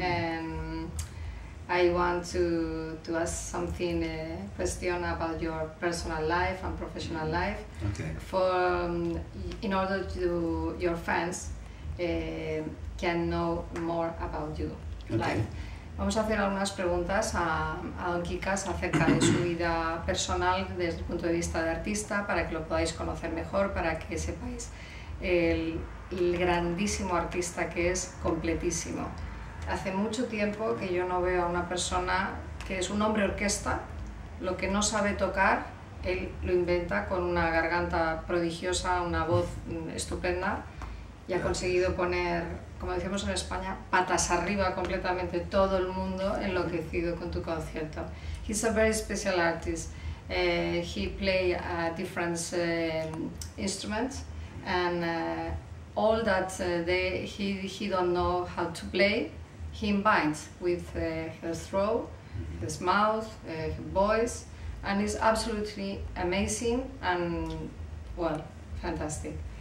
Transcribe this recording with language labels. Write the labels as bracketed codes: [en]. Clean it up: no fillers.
[en] And I want to ask something, a question about your personal life and professional life. Okay. In order to your fans can know more about you. Okay. Life. [es] Vamos a hacer algunas preguntas a Don Kikas acerca de su vida personal desde el punto de vista de artista para que lo podáis conocer mejor, para que sepáis el grandísimo artista que es, completísimo. Hace mucho tiempo que yo no veo a una persona que es un hombre orquesta, lo que no sabe tocar, él lo inventa con una garganta prodigiosa, una voz estupenda, y ha conseguido poner, como decimos en España, patas arriba completamente, todo el mundo enloquecido con tu concierto. [en] He's a very special artist. He play different instruments, and all that he don't know how to play, he invites with his throat, his mouth, his voice, and it's absolutely amazing and, well, fantastic.